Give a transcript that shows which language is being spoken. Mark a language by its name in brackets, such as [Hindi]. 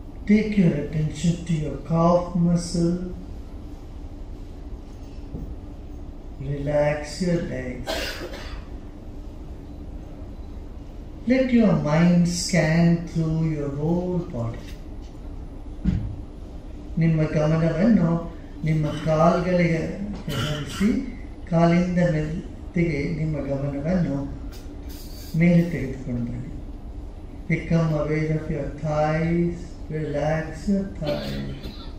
[English] Take your attention to your calf muscle. Relax your legs. Let your mind scan through your whole body. [Kannada] ನಿಮ್ಮ ಗಮನವನ್ನು ನಿಮ್ಮ ಕಾಲುಗಳಿಗೆ ಹರಿಸಿ, ಕಾಲಿಂದ ಮೆತ್ತಿಗೆ ನಿಮ್ಮ ಗಮನವನ್ನು ಮೇಲೆ ತೆಗೆದುಕೊಂಡು ಬನ್ನಿ. [English] Become aware of your thighs, relax your thighs.